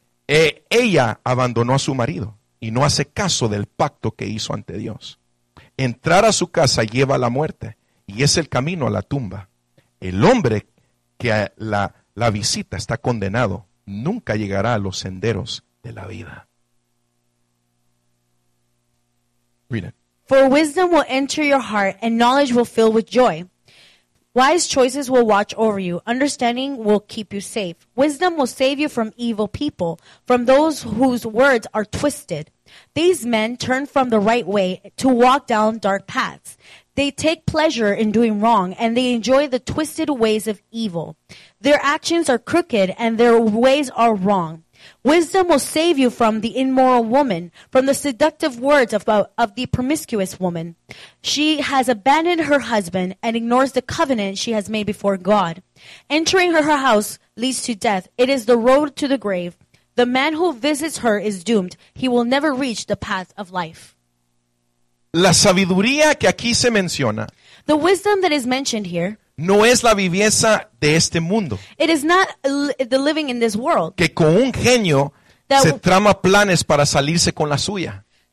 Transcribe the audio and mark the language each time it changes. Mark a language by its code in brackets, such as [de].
[es] Ella abandonó a su marido y no hace caso del pacto que hizo ante Dios. Entrar a su casa lleva a la muerte y es el camino a la tumba. El hombre que la visita está condenado, nunca llegará a los senderos de la vida. [en] Read it. For wisdom will enter your heart, and knowledge will fill with joy. Wise choices will watch over you. Understanding will keep you safe. Wisdom will save you from evil people, from those whose words are twisted. These men turn from the right way to walk down dark paths. They take pleasure in doing wrong, and they enjoy the twisted ways of evil. Their actions are crooked, and their ways are wrong. Wisdom will save you from the immoral woman, from the seductive words of the promiscuous woman. She has abandoned her husband and ignores the covenant she has made before God. Entering her house leads to death. It is the road to the grave. The man who visits her is doomed. He will never reach the path of life. [es] La sabiduría que aquí se menciona, [en] the wisdom that is mentioned here, [es] no es la viveza de este mundo. [en] It is not the living in this world. [es] Que con un genio se trama planes para salirse con la suya.